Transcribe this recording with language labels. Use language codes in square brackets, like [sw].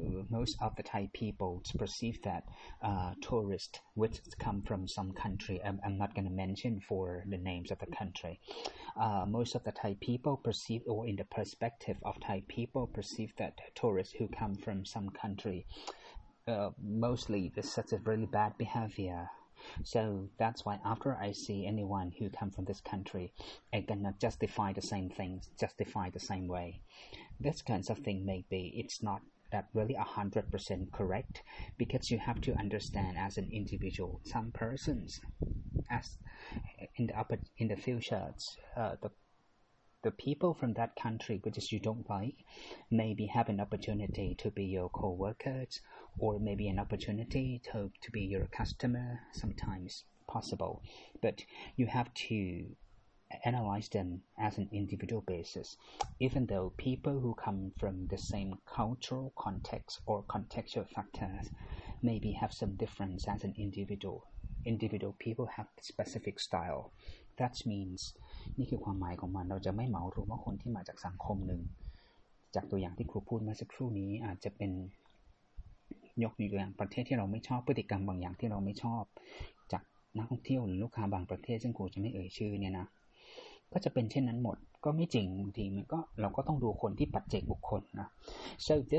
[en] most of the Thai people perceive that tourists which come from some country I'm not going to mention for the names of the countryMost of the Thai people perceive, or in the perspective of Thai people, perceive that tourists who come from some country, mostly this such a really bad behavior. So that's why after I see anyone who come from this country, I cannot justify the same things, justify the same way. This kinds of thing maybe it's not that really 100% correct, because you have to understand as an individual, some persons, as. In the future, the people from that country which is you don't like maybe have an opportunity to be your co-workers or maybe an opportunity to be your customer sometimes possible but you have to analyze them as an individual basis even though people who come from the same cultural context or contextual factors maybe have some difference as an individual individual people have specific style. That means [th] นี่คือความหมายของมันเราจะไม่เหมารวมว่าคนที่มาจากสังคมนึงจากตัวอย่างที่ครูพูดเมื่อสักครู่นี้อาจจะเป็น ยกตัวอย่างประเทศที่เราไม่ชอบพฤติกรรมบางอย่างที่เราไม่ชอบจากนักท่องเที่ยวหรือลูกค้าบางประเทศซึ่งครูจะไม่เอ่ยชื่อเนี่ยนะก็จะเป็นเช่นนั้นหมดก็ไม่จริงบางทีมันก็เราก็ต้องดูคนที่ปัจเจกบุคคลนะ so